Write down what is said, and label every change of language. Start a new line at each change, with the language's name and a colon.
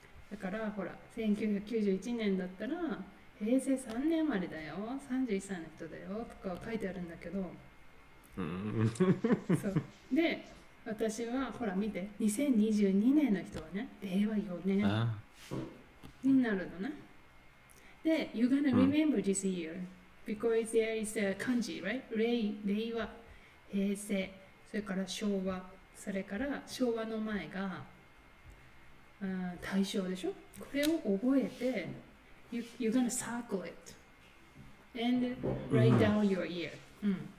Japanese: だから、ほら、1991年だったら平成3年生まれだよ、31歳の人だよとか書いてあるんだけど。そう。で、私はほら見て、2022年の人はね、令和4年。 Ah. になるのね。
English: で、You're gonna remember this year because there is a 漢字、right?
Japanese: 令和、平成、それから昭和、それから昭和の前が、大正でしょ。これを覚えて、
English: You're gonna circle it and write down your year、うん。